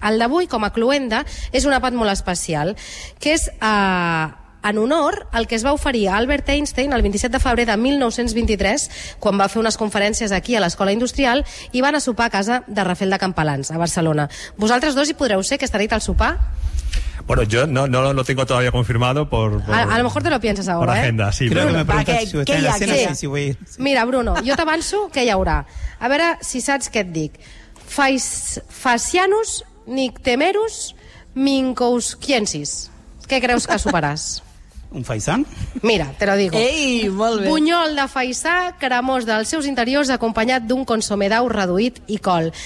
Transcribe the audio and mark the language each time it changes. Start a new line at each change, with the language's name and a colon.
Catalan: El d'avui, com a cloenda, és un àpat molt especial, que és en honor al que es va oferir a Albert Einstein el 27 de febrer de 1923, quan va fer unes conferències aquí a l'Escola Industrial, i van a sopar a casa de Rafael de Campalans, a Barcelona. Vosaltres dos hi podreu ser, que estareu al sopar?
Spanish: Bueno, yo no lo tengo todavía confirmado a lo mejor te lo piensas ahora, por agenda, sí. Bruno, me preguntas si voy a la cena, si voy a ir.
Catalan: Mira, Bruno, jo t'avanço que hi haurà. A veure si saps què et dic. Facianus nictemerus mincousquiensis. Què creus que soparàs?
Spanish: un faisán? Mira, te lo digo.
Catalan: Ei, molt bé. Bunyol de faisà, cremós dels seus interiors, acompanyat d'un consomé d'au reduït i col.